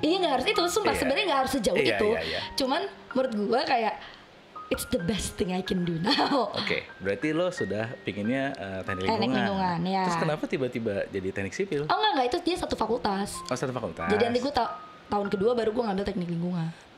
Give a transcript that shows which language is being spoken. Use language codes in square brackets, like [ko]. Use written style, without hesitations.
[id] Iya nggak harus itu, sumpah sebenarnya nggak harus sejauh itu. Cuman menurut gue kayak [en] it's the best thing I can do now. [id] Berarti lo sudah pinginnya teknik lingkungan. Ya. Terus kenapa tiba-tiba jadi teknik sipil? Oh nggak, itu dia satu fakultas. Oh satu fakultas. Jadi nanti gue tahun kedua baru gue ngambil teknik lingkungan.